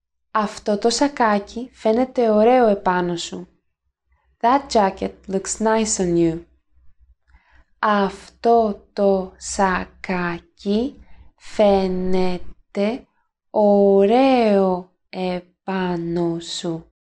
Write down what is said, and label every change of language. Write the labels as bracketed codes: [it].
[el] Αυτό το σακάκι φαίνεται ωραίο επάνω σου. [en] That jacket looks nice on you. [el] Αυτό το σακάκι φαίνεται ωραίο επάνω σου.